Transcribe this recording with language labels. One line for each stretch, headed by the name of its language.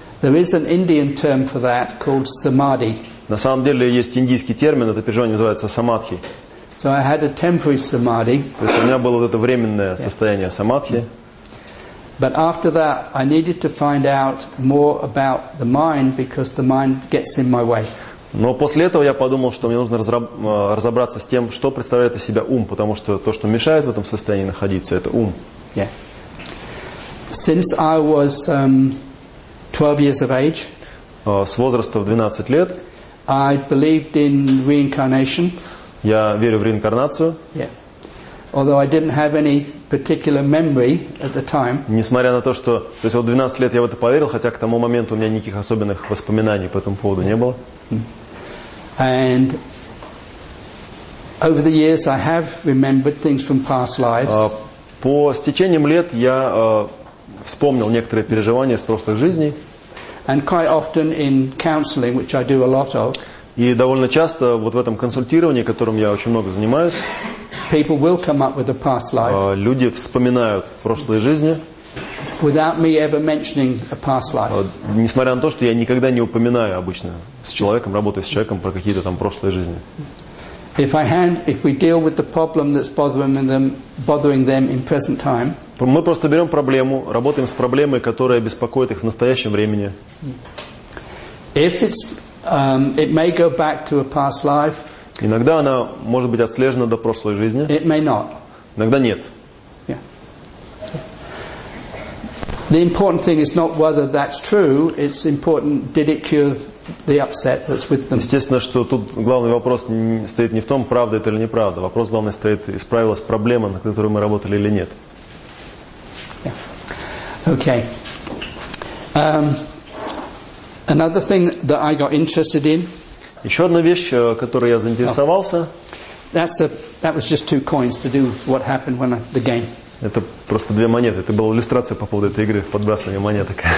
English: There is an Indian term for that called samadhi.
Russian: На самом деле есть индийский термин, это переживание называется самадхи.
English: So I had a temporary samadhi.
Russian: То есть у меня было вот это временное состояние самадхи.
English: But after that, I needed to find out more about the mind because the mind gets in my way.
Russian: Но после этого я подумал, что мне нужно разобраться с тем, что представляет из себя ум, потому что то, что мешает в этом состоянии находиться, это ум.
English: Yeah. Since I was 12 years of age,
Russian: с возраста в 12 лет,
English: I believed in reincarnation.
Russian: Я верю в реинкарнацию.
English: Yeah. Although I didn't have any particular memory at the time.
Russian: Несмотря на то, что, то есть вот 12 лет я в это поверил, хотя к тому моменту у меня никаких особенных воспоминаний по этому поводу не было.
English: And over the years I have remembered things from past lives.
Russian: По стечением лет я вспомнил некоторые переживания из прошлых жизней.
English: And quite often in counseling, which I do a lot of.
Russian: И довольно часто вот в этом консультировании, которым я очень много занимаюсь,
English: people will come up with a past life.
Russian: Люди вспоминают прошлые жизни.
English: Without me ever mentioning a past life.
Russian: Несмотря на то, что я никогда не упоминаю обычно с человеком, работая с человеком про какие-то там прошлые жизни.
English: If we deal with the problem that's bothering them in present time.
Russian: Мы просто берем проблему, работаем с проблемой, которая беспокоит их в настоящем времени.
English: If it's, it may go back to a past life.
Russian: Иногда она может быть отслежена до прошлой жизни.
English: It may not.
Russian: Иногда нет.
English: The important thing is not whether that's true, it's important did it cure the upset that's with them.
Russian: Естественно, что тут главный вопрос стоит не в том, правда это или неправда. Вопрос главный стоит, исправилась проблема, на которую мы работали или нет.
English: Okay. Another thing that I got interested in.
Russian: Еще одна вещь, которой я заинтересовался.
English: That was just 2 coins to do what happened when the game.
Russian: Это просто 2 монеты. Это была иллюстрация по поводу этой игры, подбрасывание монеток.